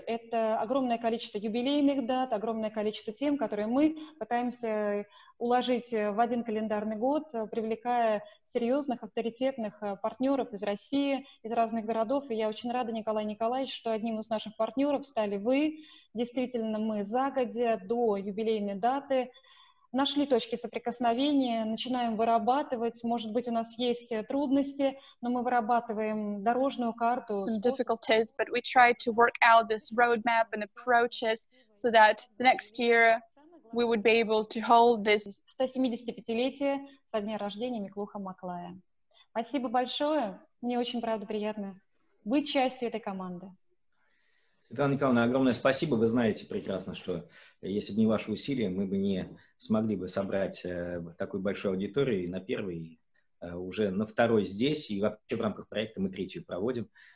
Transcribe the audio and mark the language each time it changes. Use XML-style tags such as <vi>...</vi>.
<ru>Это огромное количество юбилейных дат, огромное количество тем, которые мы пытаемся уложить в один календарный год, привлекая серьезных, авторитетных партнеров из России, из разных городов. И я очень рада, Николай Николаевич, что одним из наших партнеров стали вы. Действительно, мы загодя до юбилейной даты нашли точки соприкосновения, начинаем вырабатывать. Может быть, у нас есть трудности, но мы вырабатываем дорожную карту.</ru> <en>Some difficulties, but we try to work out this roadmap and approaches so that the next year we would be able to hold this</en> <ru>175-летие со дня рождения Миклу Хамаклая. Спасибо большое. Мне очень, правда, приятно быть частью этой команды. Светлана Николаевна, огромное спасибо. Вы знаете прекрасно, что если бы не ваши усилия, мы бы не смогли бы собрать такую большую аудиторию и на первый, и уже на второй здесь, и вообще в рамках проекта мы третью проводим.</ru>